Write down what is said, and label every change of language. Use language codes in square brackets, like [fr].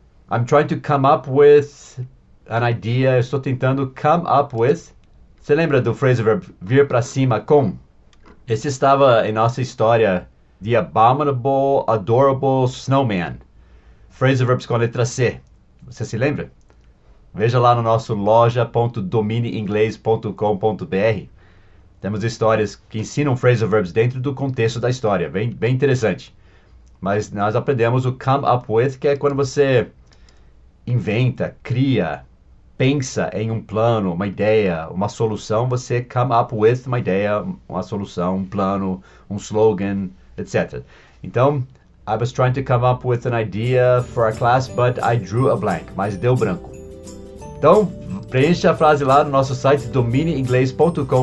[en] I'm trying to come up with an idea, [pt] estou tentando [en] come up with. [pt] Você lembra do phrasal verb vir para cima com? Esse estava em nossa história The Abominable, Adorable Snowman. Phrasal verbs com a letra C. Você se lembra? Veja lá no nosso loja.domineinglês.com.br. Temos histórias que ensinam phrasal verbs dentro do contexto da história. Bem, bem interessante. Mas nós aprendemos o come up with, que é quando você inventa, cria, pensa em um plano, uma ideia, uma solução. Você come up with uma ideia, uma solução, um plano, um slogan, etc. [en] Então, I was trying to come up with an idea for a class, but I drew a blank. [pt] Mas deu branco. Então, preencha a frase lá no nosso site domineinglês.com.br.